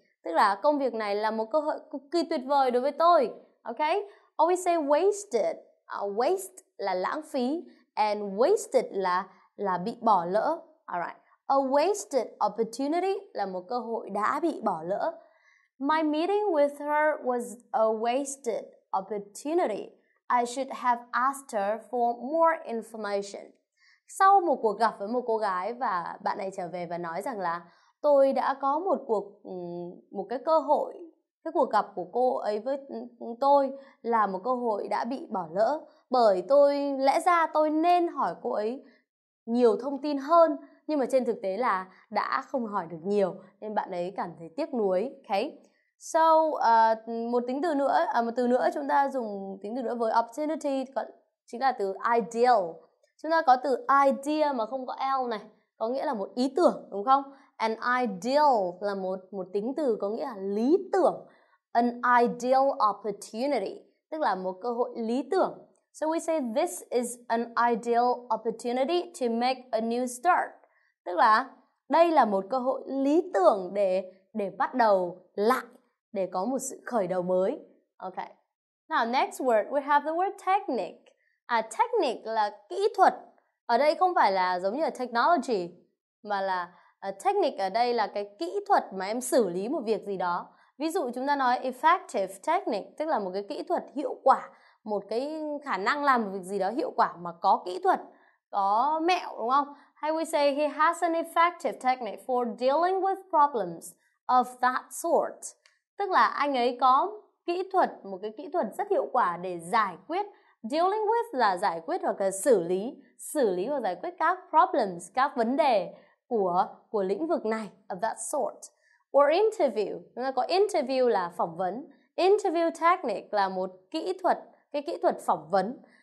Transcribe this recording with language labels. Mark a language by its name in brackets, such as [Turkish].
[Vietnamese] Tức là công việc này là một cơ hội cực kỳ tuyệt vời đối với tôi. [English] Okay, or we say wasted. [Vietnamese] Waste là lãng phí, and wasted là bị bỏ lỡ. Alright, a wasted opportunity là một cơ hội đã bị bỏ lỡ. [English] My meeting with her was a wasted opportunity. I should have asked her for more information. [Vietnamese] Sau một cuộc gặp với một cô gái và bạn này trở về và nói rằng là tôi đã có một cuộc gặp của cô ấy với tôi là một cơ hội đã bị bỏ lỡ. Bởi tôi lẽ ra tôi nên hỏi cô ấy nhiều thông tin hơn, nhưng mà trên thực tế là đã không hỏi được nhiều nên bạn ấy cảm thấy tiếc nuối. Okay. So một từ nữa chúng ta dùng tính từ nữa với opportunity chính là từ ideal. Chúng ta có từ idea mà không có L này, có nghĩa là một ý tưởng, đúng không? An ideal là một tính từ có nghĩa là lý tưởng. An ideal opportunity, tức là một cơ hội lý tưởng. [English] So we say this is an ideal opportunity to make a new start. [Vietnamese] Tức là đây là một cơ hội lý tưởng để bắt đầu lại, để có một sự khởi đầu mới. [English] Okay. Now next word, we have the word technique. [Vietnamese] Technique là kỹ thuật. Ở đây không phải là giống như là technology, mà là technique ở đây là cái kỹ thuật mà em xử lý một việc gì đó. Ví dụ chúng ta nói effective technique, tức là một cái kỹ thuật hiệu quả, một cái khả năng làm một việc gì đó hiệu quả mà có kỹ thuật, có mẹo, đúng không? [English] Hay we say he has an effective technique for dealing with problems of that sort. [Vietnamese] Tức là anh ấy có kỹ thuật, một cái kỹ thuật rất hiệu quả để giải quyết. Dealing with là giải quyết hoặc là xử lý hoặc giải quyết các problems, các vấn đề của lĩnh vực này, of that sort. Or interview, chúng ta có interview là phỏng vấn. Interview technique là một kỹ thuật phỏng vấn.